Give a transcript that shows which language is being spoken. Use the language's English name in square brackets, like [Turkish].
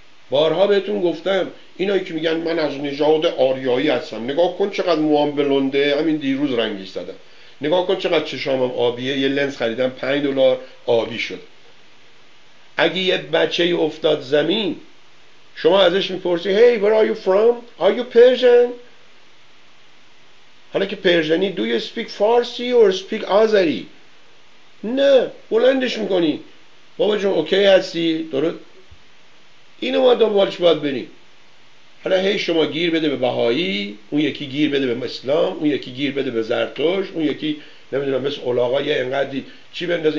[Persian] بارها بهتون گفتم اینایی که میگن من از نژاد آریایی هستم، نگاه کن چقدر موام بلنده، همین دیروز رنگی زدم، نگاه کن چقدر چشامم آبیه، یه لنز خریدم $5 آبی شد. اگه یه بچه ای افتاد زمین شما ازش میپرسی [English] Hey, where are you from? Are you Persian? [Persian] حالا که پرژنی، [English] Do you speak Farsi or speak Azeri? [Persian] نه، بلندش میکنی بابا جون اوکی هستی؟ درست؟ اینو ما دنبالش باید بریم. حالا هی شما گیر بده به بهایی، اون یکی گیر بده به اسلام، اون یکی گیر بده به زرتوش، اون یکی نمیدونم مثل علاقه یه انقدر چی بندازه.